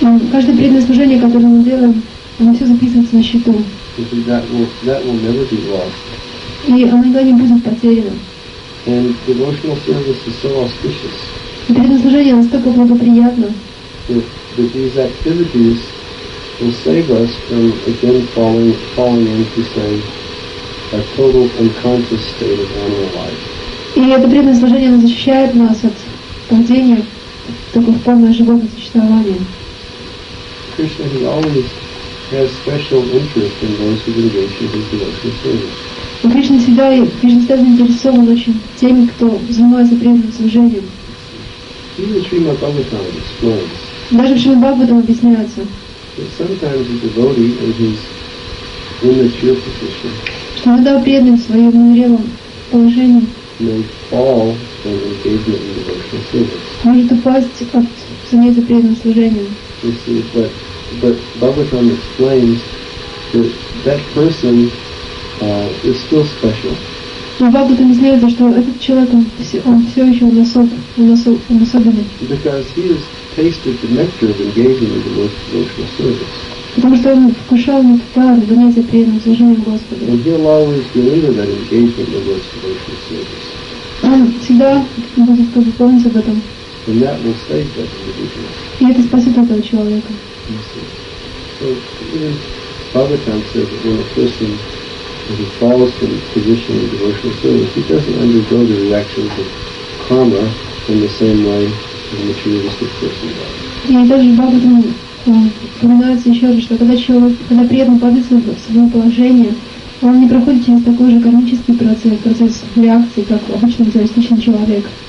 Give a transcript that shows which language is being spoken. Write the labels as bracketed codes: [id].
[ru] Каждое преданное служение, которое мы делаем, оно все записывается на счету. [en] That will never be lost. [ru] И оно никогда не будет потеряно. [en] And devotional service is so auspicious. [ru] И преданное служение настолько благоприятно. [en] That these activities will save us from again falling into say a total unconscious state of animal life. [ru] И это преданное служение защищает нас от падения только в полное животное существование. [en] Krishna, he always has special interest in those who engage in his devotional service. [ru] Krishna всегда и Krishna всегда заинтересован очень теми, кто занимается преданным служением. [en] Even Srimad Bhagavatam explains. [ru] Даже в Шримад Бхагаватам объясняется. [en] Sometimes a devotee in his immature position. [ru] Что иногда преданный в своем незрелом положении. [en] May fall from engagement in devotional service. [ru] Может упасть от занятия преданным служением. [en] You see, but Bhagavatam explains that person is still special. [ru] Но Бхагаватам объясняет, что этот человек он все еще особенный. [en] Because he has tasted the nectar of engaging in the most devotional service. [ru] Потому что он вкушал нектар занятия преданным служением Господу. [en] And he'll always be into that engagement in the most devotional service. [ru] Он всегда будет как бы помнить об этом. [en] And that will save that individual. [ru] И это спасет этого человека. [en] So, even Bhagavatam says that when a person falls from his position in devotional service, he doesn't undergo the reactions of karma in the same way as a materialistic person does. [ru] И также Бхагаватам упоминается еще раз, что когда преданный падает в своем положении, он не проходит через такой же кармический процесс, процесс реакции, как обычный эгоистичный человек.